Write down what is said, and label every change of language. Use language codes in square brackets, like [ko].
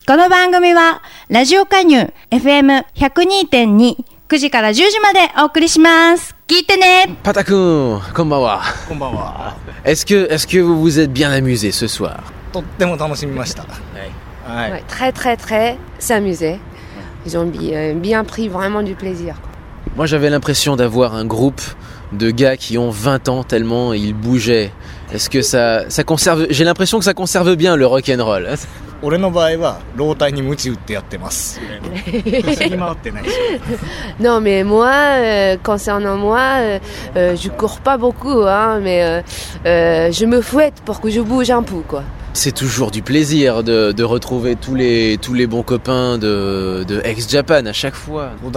[ja] この番組はラジオカニュー FM102.2 9時から10時までお送りします。聞いてね。パタ君こんばんは。こんばんは。 [fr] est-ce que vous vous êtes bien amusé ce soir? [ja] とっても楽しみました。 [fr] はい、très très très s'amuser. Ils ont bien pris vraiment du plaisir. Moi j'avais l'impression d'avoir un groupe de gars qui ont 20 ans tellement ils bougeaient. Est-ce que ça conserve? J'ai l'impression que ça conserve bien le rock and roll. [ja] 俺の場合は老体にムチ打ってやってます。走り回ってない。 [fr] Non mais moi concernant moi je cours pas beaucoup hein mais je me fouette pour que je bouge un peu quoi. C'est toujours du plaisir de retrouver tous les bons copains de ex-Japan à chaque fois.